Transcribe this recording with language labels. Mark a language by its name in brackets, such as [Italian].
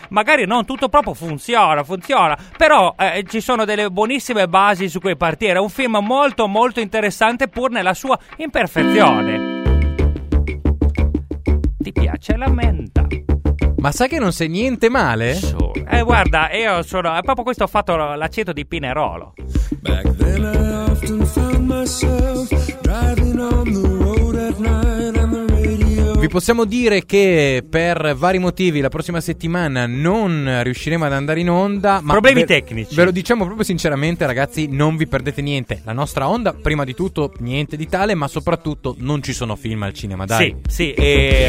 [Italian] Magari non tutto proprio funziona, però ci sono delle buonissime basi su cui partire. È un film molto molto interessante pur nella sua imperfezione. Ti piace la menta? Ma sai che non sei niente male? Guarda, io sono... è proprio questo, ho fatto l'aceto di Pinerolo. [English] Back then I often found myself driving on the road at night on the radio. [Italian] Vi possiamo dire che per vari motivi la prossima settimana non riusciremo ad andare in onda, ma problemi tecnici. Ve lo diciamo proprio sinceramente, ragazzi, non vi perdete niente. La nostra onda, prima di tutto, niente di tale, ma soprattutto non ci sono film al cinema, dai. Sì, sì, e...